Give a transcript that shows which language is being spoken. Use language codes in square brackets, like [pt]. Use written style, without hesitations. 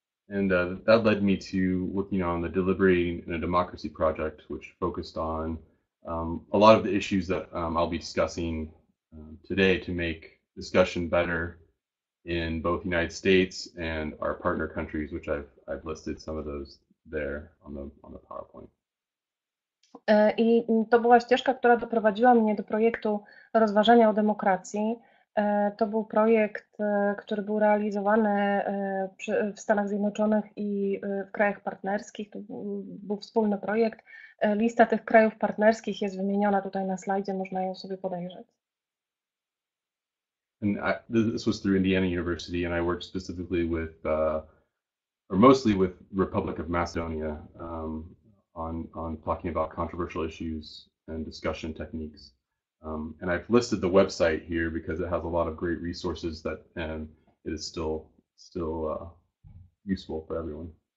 [en] And that led me to working on the Deliberating in a Democracy project, which focused on a lot of the issues that I'll be discussing today to make discussion better in both the United States and our partner countries, which I've listed some of those there on the PowerPoint. [pl] I to była ścieżka, która doprowadziła mnie do projektu rozważania o demokracji. To był projekt, który był realizowany w Stanach Zjednoczonych i w krajach partnerskich. To był wspólny projekt. Lista tych krajów partnerskich jest wymieniona tutaj na slajdzie, można ją sobie podejrzeć. [en] And this was through Indiana University, and I worked specifically with, or mostly with Republic of Macedonia, on talking about controversial issues and discussion techniques. And I've listed the website here because it has a lot of great resources that, and it is still useful for everyone.